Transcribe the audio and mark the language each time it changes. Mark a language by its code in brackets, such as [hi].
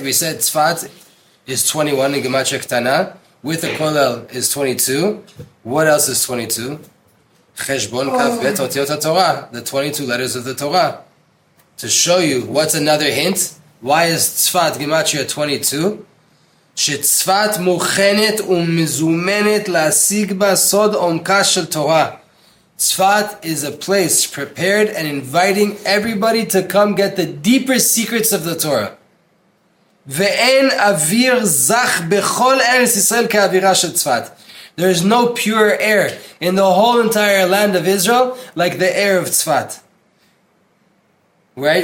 [en] We said Tzfat is 21 in Gematria Ketana. With the Kolel is 22. What else is 22? [he] Cheshbon Kaf Bet, Otiyot HaTorah. [en] The 22 letters of the Torah. To show you, what's another hint? Why is Tzfat Gematria 22? [he] שצפת מוכנת ומזומנת להשיג בה סוד עומקה של תורה. [en] Tzfat is a place prepared and inviting everybody to come get the deeper secrets of the Torah. [he] Ve'en avir zach bechol eretz Yisrael ke'avira shel Tzfat. [en] There is no pure air in the whole entire land of Israel like the air of Tzfat. Right?